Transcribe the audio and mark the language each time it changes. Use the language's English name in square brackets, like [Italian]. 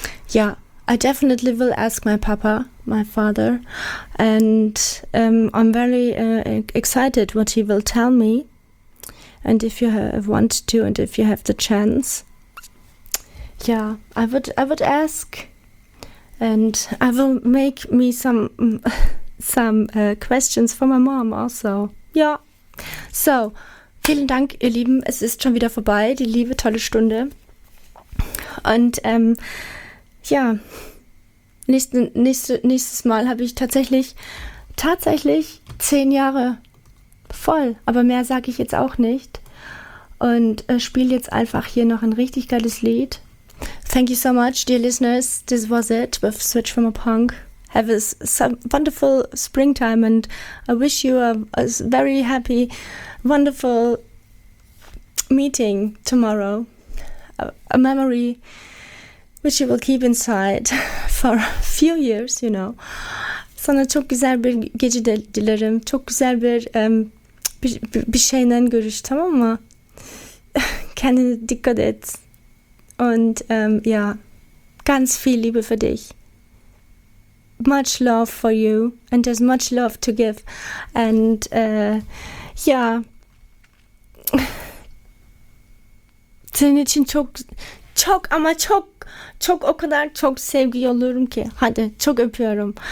[English] Yeah, I definitely will ask my papa, my father, and I'm very excited what he will tell me. And if you want to, and if you have the chance, yeah, I would ask, and I will make me some questions for my mom also. [German] Ja, so, vielen Dank, ihr Lieben. Es ist schon wieder vorbei, die liebe, tolle Stunde. Und ja, nächstes Mal habe ich tatsächlich 10 Jahre voll. Aber mehr sage ich jetzt auch nicht. Und spiele jetzt einfach hier noch ein richtig geiles Lied. [English] Thank you so much, dear listeners. This was it with Switch from a Punk. Have a wonderful springtime and I wish you a very happy, wonderful meeting tomorrow. A memory which you will keep inside for a few years, you know. [Turkish] Sana çok güzel bir gece dilerim. Çok güzel bir şeyden görüş, tamam mı? Kendine dikkat et. [German] Und ja, ganz viel Liebe für dich. [English] Much love for you and there's much love to give and yeah [Turkish] senin için çok çok ama çok çok o kadar çok sevgi yolluyorum ki hadi çok öpüyorum.